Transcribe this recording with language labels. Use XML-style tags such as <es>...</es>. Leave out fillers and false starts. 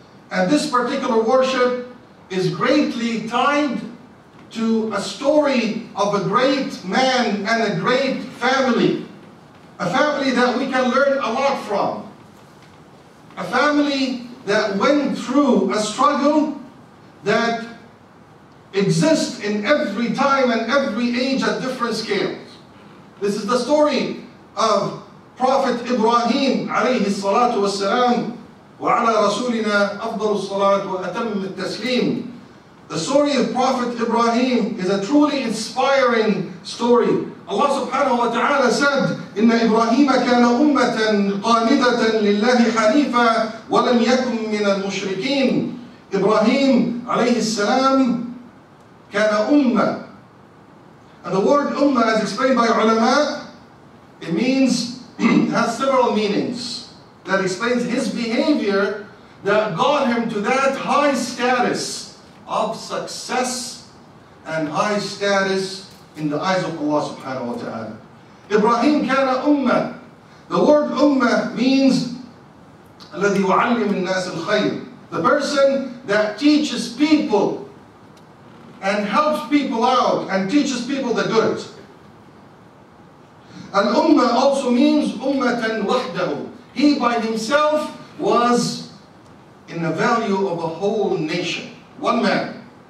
<en>And this particular worship is greatly tied to a story of a great man and a great family. A family that we can learn a lot from. A family that went through a struggle that exists in every time and every age at different scales. This is the story of Prophet Ibrahim</en> <ar>عليه الصلاة والسلام وعلى رسولنا أفضل الصلاة وأتم التسليم.</ar> <en>The story of Prophet Ibrahim is a truly inspiring story. Allah subhanahu wa ta'ala said,</en> <ar>إِنَّ إِبْرَاهِيمَ كَانَ أُمَّةً قَانِدَةً لِلَّهِ حَنِيفًا وَلَمْ يَكُمْ مِنَ الْمُشْرِكِينَ. Ibrahim عليه السلام كان أمة.</ar> <en>And the word أمة, as explained by ulama, it means, has several meanings. That explains his behavior that got him to that high status of success and high status in the eyes of Allah subhanahu wa ta'ala.</en> <ar>Ibrahim كان أمة.</ar> <en>The word</en> <ar>أمة means الذي يعلم الناس الخير.</ar> <en>The person that teaches people and helps people out and teaches people the good. An ummah also means ummatan wahdahu. He by himself was in the value of a whole nation. One man.</en>